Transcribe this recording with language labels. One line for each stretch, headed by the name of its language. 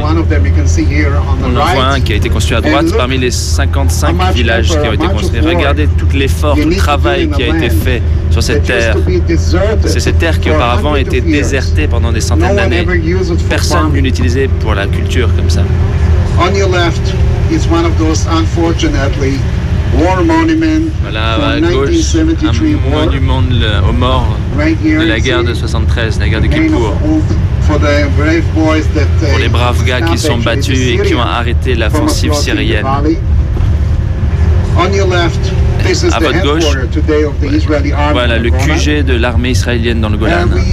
French: On en voit un qui a été construit à droite parmi les 55 villages qui ont été construits. Regardez tout l'effort, tout le travail qui a été fait sur cette terre. C'est cette terre qui auparavant était désertée pendant des centaines d'années. Personne ne l'utilisait pour la culture comme ça.
English: On your left is one of those, unfortunately, War Monument.
French: Voilà, à gauche, un monument aux morts de la guerre de 73, la guerre de Kippour. Pour les braves gars qui sont battus et qui ont arrêté l'offensive syrienne. À votre gauche, voilà le QG de l'armée israélienne dans le Golan.